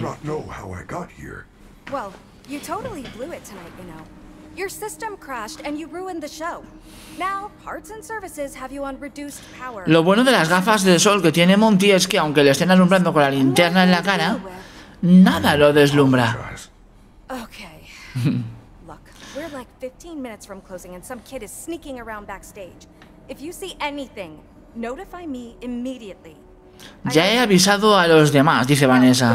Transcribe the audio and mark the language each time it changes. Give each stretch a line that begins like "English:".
English: Well, you totally blew it tonight, you know. Your system crashed and you ruined the show. Now, parts and services have you on reduced power.
Spanish: Lo bueno de las gafas de sol que tiene Monty es que aunque le estén alumbrando con la linterna en la cara, nada lo deslumbra.
English: Okay. Look, we're like 15 minutes from closing and some kid is sneaking around backstage. If you see anything, notify me immediately.
Spanish: Ya he avisado a los demás, dice Vanessa.